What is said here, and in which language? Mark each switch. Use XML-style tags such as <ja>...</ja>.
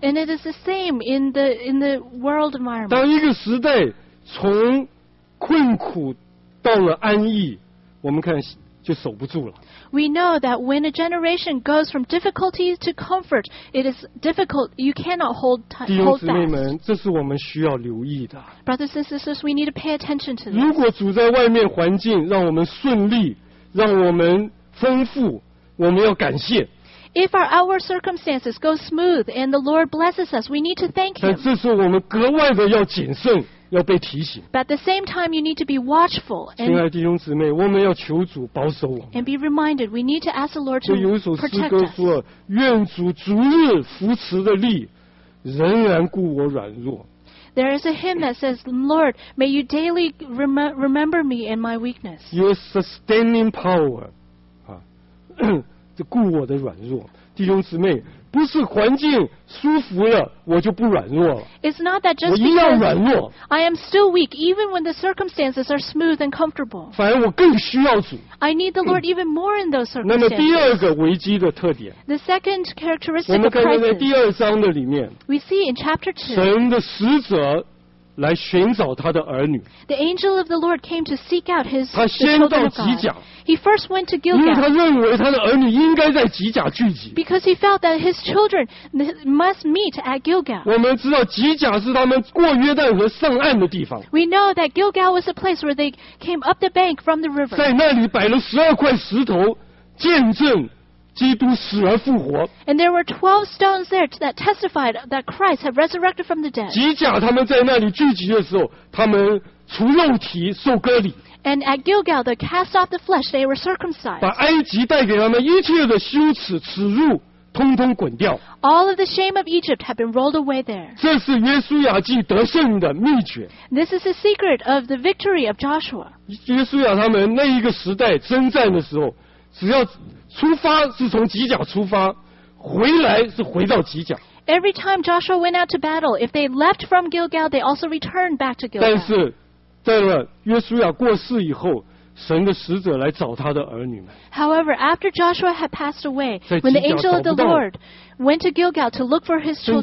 <en>And it is the same in the world environment.</en> <zh>当一个时代从困苦到了安逸，我们看就守不住了。</zh> <en>We know that when a generation goes from difficulty to comfort, it is difficult. You cannot hold fast.</en> <zh>弟兄姊妹们，这是我们需要留意的。</zh> <en>Brothers and sisters, we need to pay attention to this.</en> <zh>如果主在外面环境让我们顺利，让我们丰富，我们要感谢。</zh> <en>If our outward circumstances go smooth and the Lord blesses us, we need to thank Him.</en> <zh>但这时候我们格外的要谨慎，要被提醒。</zh> <en>But at the same time, you need to be watchful.</en> <zh>亲爱的弟兄姊妹，我们要求主保守我们。</zh> <en>And be reminded, we need to ask the Lord to protect us.</en> <zh>有一首诗歌说，愿主逐日扶持的力，仍然顾我软弱。</zh> <en>There is a hymn that says, Lord, may you daily remember me in my weakness. Your sustaining power,</en> <zh>顾我的软弱。弟兄姊妹，不是环境舒服了我就不软弱了。</zh> <en>It's not that just</en> <zh>我一样软弱。</zh> <en>I am still weak even when the circumstances are smooth and comfortable.</en> <zh>反而我更需要主。</zh> <en>I need the Lord even more in those circumstances.</en> <zh>那么第二个危机的特点。</zh> <en>The second characteristic of crisis.</en> <zh>我们看到在第二章的里面。</zh> <en>We see in chapter 2.</en> <zh>神的使者来寻找他的儿女。</zh> <en>The angel of the Lord came to seek out his children of God.</en> <zh>他先到吉甲。</zh> <en>He first went to Gilgal.</en> <zh>因为他认为他的儿女应该在吉甲聚集。</zh> <en>Because he felt that his children must meet at Gilgal.</en> <zh>我们知道吉甲是他们过约旦河上岸的地方。</zh> <en>We know that Gilgal was the place where they came up the bank from the river.</en> <zh>在那里摆了12块石头，见证基督死而复活。</zh> <en>And there were 12 stones there that testified that Christ had resurrected from the dead.</en> <zh>吉甲他们在那里聚集的时候，他们除肉体受割礼。</zh> <en>And at Gilgal, the cast off the flesh, they were circumcised.</en> <zh>把埃及带给他们一切的羞耻耻辱通通滚掉。</zh> <en>All of the shame of Egypt had been rolled away there.</en> <zh>这是约书亚记得胜的秘诀。</zh> <en>This is the secret of the victory of Joshua.</en> <zh>约书亚他们那一个时代征战的时候，只要出发是从吉甲出发，回来是回到吉甲。</zh> <en>Every time Joshua went out to battle, if they left from Gilgal, they also returned back to Gilgal.</en> <zh>但是在约书亚过世以后，神的使者来找他的儿女们。</zh> <en>However, after Joshua had passed away, when the angel of the Lord went to Gilgal to look for his children,</en>